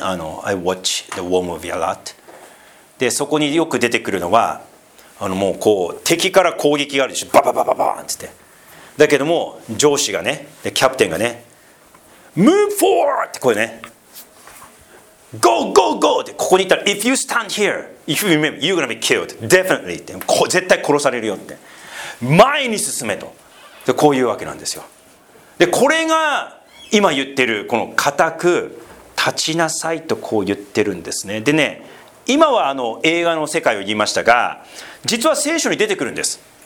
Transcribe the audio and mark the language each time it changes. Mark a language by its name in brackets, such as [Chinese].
[English] I watch the war movie a lot。 [Japanese] で、そこによく出てくるのは、もうこう敵から攻撃があるでしょ、バババババーンって言って、だけども上司がね、でキャプテンがね、 [English] Move forward [Japanese] ってこれね、 [English] Go, go, go! [Japanese] ってここに行ったら、 [English] If you stand here, if you remember, you're gonna be killed. Definitely. [Japanese] って、絶対殺されるよって。前に進めと。で、こういうわけなんですよ。で、これが今言ってる、この固く立ちなさいとこう言ってるんですね。でね、今は映画の世界を言いましたが、実は聖書に出てくるんです。